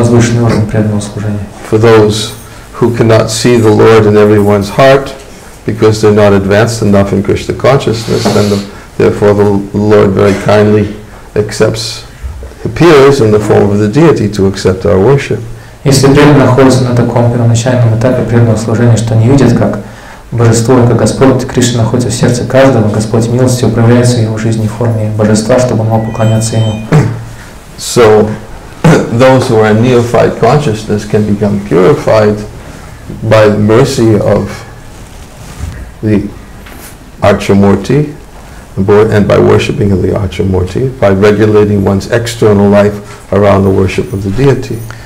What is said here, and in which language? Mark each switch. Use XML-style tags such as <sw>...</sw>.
<en>For those who cannot see the Lord in everyone's heart because they're not advanced enough in Krishna consciousness, then therefore the Lord very kindly appears in the form of the deity to accept our worship.</en> <ru>Если преданный находится на таком первоначальном этапе преданного служения, что не видит, как божество, как Господь Кришна находится в сердце каждого, Господь милости управляется в его жизни в форме божества, чтобы он мог поклоняться ему.</ru> <en>So those who are in neophyte consciousness can become purified by the mercy of the Archamurti and by worshipping of the Archamurti, by regulating one's external life around the worship of the deity.</en>